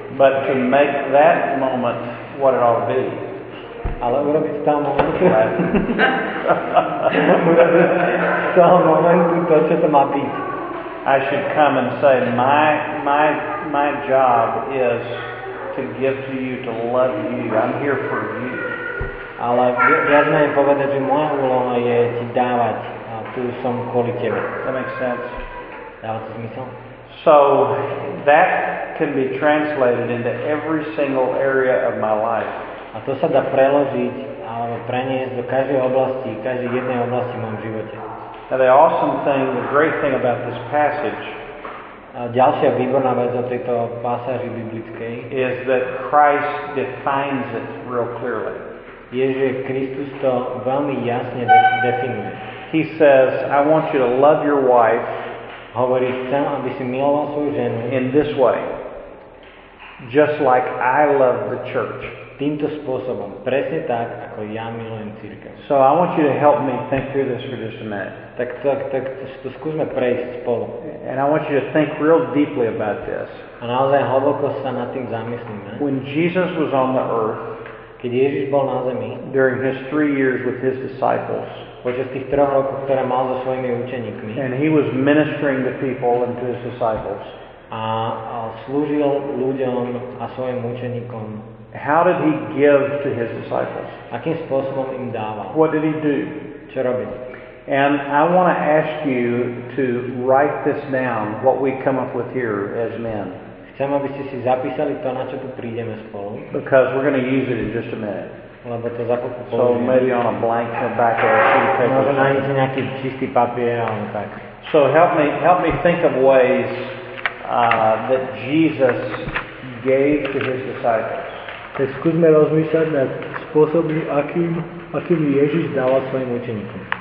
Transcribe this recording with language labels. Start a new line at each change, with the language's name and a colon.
English: But to make that moment what it ought to be.
Slovak: Ale urobiť z toho momentu. Urobiť z toho momentu to, čo to má byť.
English: I should come and say, my job is to give to you, to love you. I'm here for you.
Slovak: Ale ja znam je povedať, že moja úloha je ti dávať a tu som kvôli tebe.
English: That makes sense.
Slovak: Dávať si zmysel?
English: So that can be translated into every single area of my life.
Slovak: A to sa dá preložiť alebo preniesť do každej oblasti, každej jednej oblasti v mojom živote.
English: Now the awesome thing, the great thing about this passage,
Slovak: a ďalšia výborná vec o tejto pasáži biblickej,
English: is that Christ defines it real clearly.
Slovak: Je, že Kristus to veľmi jasne definuje.
English: He says, I want you to love your wife,
Slovak: hovorí, chcem, aby si miloval svoju ženu,
English: in this way, just like I love the church.
Slovak: Týmto spôsobom, presne tak, ako ja milujem cirkev.
English: So I want you to help me think through this for just a minute.
Slovak: Tak to skúsme prejsť spolu.
English: And I want you to think real deeply about this.
Slovak: A naozaj hlboko sa nad tým zamyslíme.
English: When Jesus was on the earth,
Slovak: keď Ježiš bol na zemi,
English: during his 3 years with his disciples,
Slovak: počas tých troch rokov, ktoré mal so svojimi učeníkmi,
English: and he was ministering to people and to his disciples,
Slovak: a slúžil ľuďom a svojim učeníkom.
English: How did he give to his disciples?
Slovak: Akým spôsobom im dával?
English: What did he do?
Slovak: Čo robil?
English: And I want to ask you to write this down, what we come up with here as men.
Slovak: Chcem, aby ste si zapísali to, na čo tu prídeme spolu.
English: Because we're going to use it in just a minute.
Slovak: Lebo to za chvíľku použijem.
English: So maybe on a blank in the back of a sheet of paper.
Slovak: Možno nájsť nejaký čistý papier, ale tak.
English: So help me think of ways that Jesus gave to his disciples.
Slovak: Tak skúsme rozmýšľať nad spôsobom, akým Ježiš dával svojim učeníkom.